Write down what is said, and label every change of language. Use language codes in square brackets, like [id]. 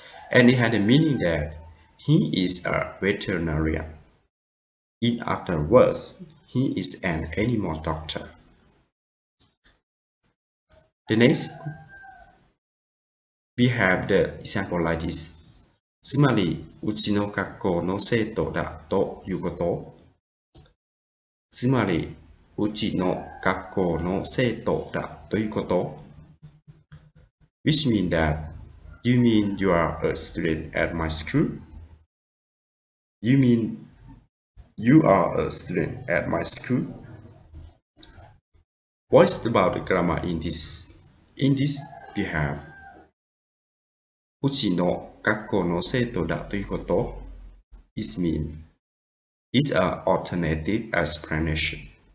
[en] And it had a meaning that he is a veterinarian. In other words, he is an animal doctor. The next, we have the example like this. [ja] つまり、うちの学校の生徒だということ。つまり、うちの学校の生徒だということ。 [en] Which means that you mean you are a student at my school? You mean you are a student at my school? What is about the grammar in this? In this, we have [ja] うちの学校の生徒だということ [en] is mean is an alternative explanation.